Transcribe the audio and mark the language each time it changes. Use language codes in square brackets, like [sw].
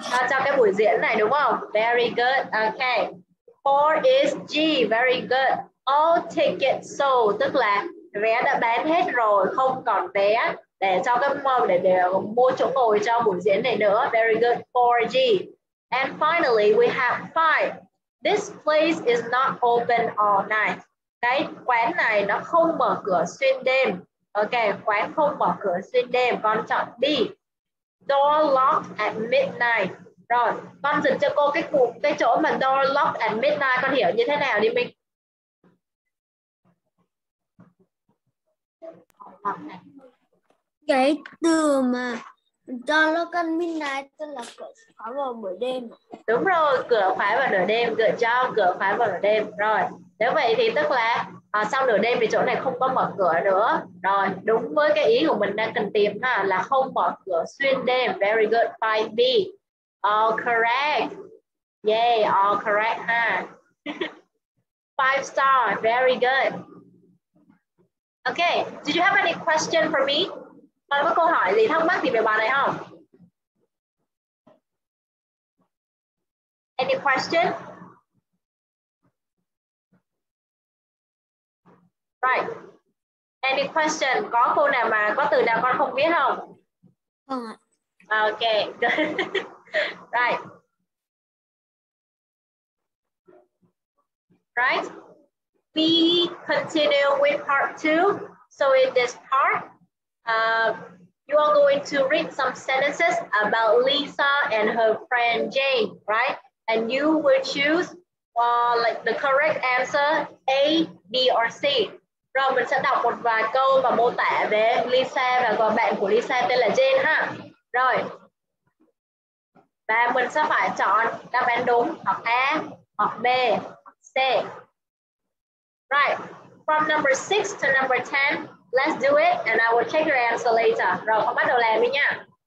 [vi] Cho cái buổi diễn này đúng không? [en] Very good. Okay. 4 is G. Very good. All tickets sold, [vi] tức là vé đã bán hết rồi, không còn vé để cho cái để mua chỗ ngồi cho buổi diễn này nữa. [en] Very good. 4G. And finally, we have 5. This place is not open all night. [vi] Đấy, quán này nó không mở cửa xuyên đêm. Ok, quán không mở cửa xuyên đêm. Con chọn D. [en] Door locked at midnight. [vi] Rồi, con dịch cho cô cái chỗ mà door locked at midnight. Con hiểu như thế nào đi Minh? Cái từ mà [en] door locked at midnight [vi] tức là cửa khóa vào nửa đêm. Đúng rồi, cửa khóa vào nửa đêm. Cửa cho, cửa khóa vào nửa đêm. Rồi, nếu vậy thì tức là sau nửa đêm thì chỗ này không có mở cửa nữa. Rồi, đúng với cái ý của mình đang cần tìm ha, là không mở cửa xuyên đêm. [en] Very good, 5B. All correct. Yay, all correct ha. 5 star, very good. Okay, did you have any question for me? [vi] Bạn có câu hỏi gì thắc mắc gì về bài này không? [en] Any question? Right. Any question? [vi] Có câu nào mà có từ nào con không biết không? Không. [en] Okay, good. Right. Right. We continue with part two. So in this part, you are going to read some sentences about Lisa and her friend Jane, right? And you will choose like the correct answer A, B, or C. [vi] Rồi mình sẽ đọc một vài câu và mô tả về Lisa và gọi bạn của Lisa tên là Jane ha. Rồi. Và mình sẽ phải chọn đáp án đúng hoặc A, hoặc B, hoặc C. [en] Right. From number 6 to number 10, let's do it and I will check your answer later. [vi] Rồi, con bắt đầu làm đi nha.